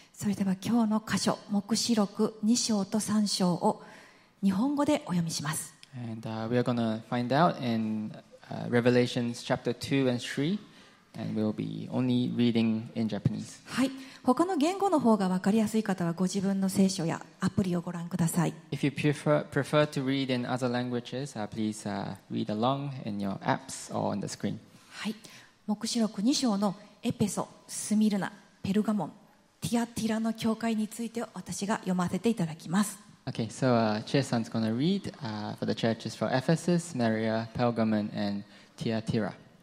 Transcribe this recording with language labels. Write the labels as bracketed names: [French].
[Japanese] それでは今日の箇所、黙示録2章と3章を日本語でお読みします。 [English] And、we are going to find out in、Revelations chapter 2 and 3 and we'll be only reading in Japanese。 [Japanese] はい、他の言語の方が分かりやすい方はご自分の聖書やアプリをご覧ください。 [English] If you prefer to read in other languages, please、read along in your apps or on the screen。 [Japanese] はい、黙示録2章のエペソ、スミルナ、ペルガモン、ティアティラの教会について私が読ませていただきます。 [English] Okay, so、Chie-san's going to read、for the churches for Ephesus, Smyrna, Pergamon, and Thyatira。